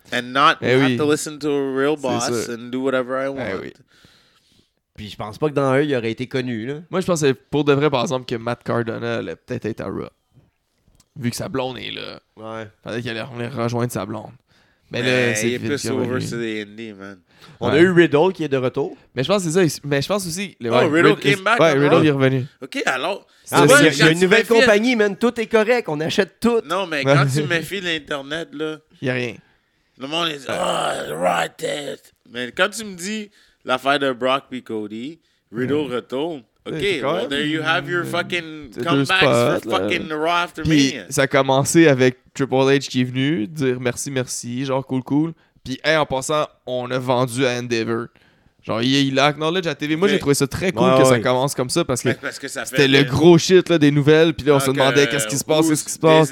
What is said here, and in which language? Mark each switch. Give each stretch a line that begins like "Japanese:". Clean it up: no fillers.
English: And not have to listen to a real boss and do whatever I want.
French: Oui. Puis je pense pas que dans eux, il aurait été connu. Là. Moi, je pensais pour de vrai, par exemple, que Matt Cardona allait peut-être être à Raw. Vu que sa blonde est là. Ouais. Il fallait qu'il allait rejoindre sa blonde. Mais là, c'est il est plus
English: over to the indie,
French: man. On a eu Riddle qui est de retour. Mais je pense que c'est ça. Mais je pense aussi.
English: Riddle came back.
French: Ouais, Riddle est revenu. Ok, alors. Il y a une nouvelle compagnie, man. Tout est correct. On achète tout. Non, mais quand tu méfies l'Internet, là. Il y a rien. Le monde est.
English: Ah, right that.
French: Mais quand tu me dis l'affaire de Brock et Cody, Riddle retourne.
English: Ok, well, there you have your fucking comebacks for fucking the Raw after me.
French: Ça a commencé avec Triple H qui est venu dire merci, merci. Genre, cool, cool. Puis, hey, en passant, on a vendu à Endeavor. Genre, il a acknowledge à TV. Moi, j'ai trouvé ça très cool que ça commence comme ça parce que ça fait c'était le gros shit là, des nouvelles. Puis là, on se demandait qu'est-ce qui se passe, qu'est-ce qui se passe.